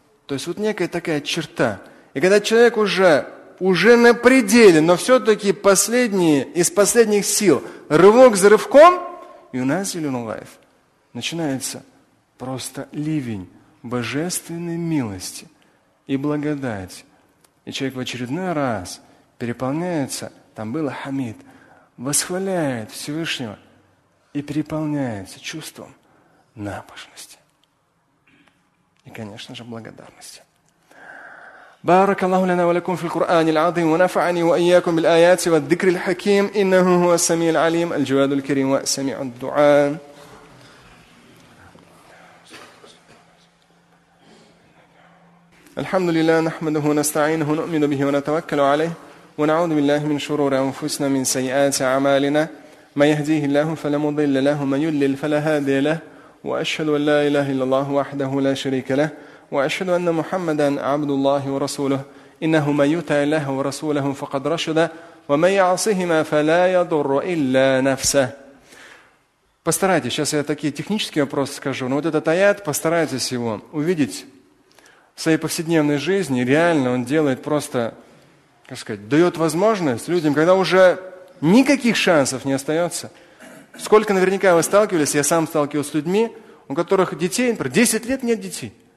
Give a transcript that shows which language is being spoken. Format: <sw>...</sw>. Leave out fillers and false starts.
<ru>То есть вот некая такая черта. И когда человек уже на пределе, но все-таки последние, из последних сил, рывок за рывком, и у нас зеленый лайф, начинается просто ливень божественной милости и благодати. И человек в очередной раз переполняется, там был Хамид, восхваляет Всевышнего и переполняется чувством набожности. И, конечно же, благодарности.</ru> <ar>بارك الله لنا ولكم في القرآن العظيم ونفعني وإياكم بالآيات والذكر الحكيم إنه هو السميع العليم الجواد الكريم والسميع الدعاء الحمد لله نحمده ونستعينه ونؤمن به ونتوكل عليه ونعوذ بالله من شرور أنفسنا من سيئات أعمالنا ما يهديه الله فلا مضل له ومن يضلل فلا هادي له وأشهد أن لا إله إلا الله وحده لا شريك له وأشهد أن محمدًا عبد الله ورسوله إنه من يطع الله ورسوله فقد رشد ومن يعصهما فلا يضر إلا نفسه.</ar> <ru>Постарайтесь, сейчас я такие технические вопросы скажу, но вот этот аят, постарайтесь его увидеть в своей повседневной жизни. Реально он делает просто, как сказать, дает возможность людям, когда уже никаких шансов не остается. Сколько наверняка вы сталкивались, я сам сталкивался с людьми, у которых детей, например, 10 лет нет детей.</ru>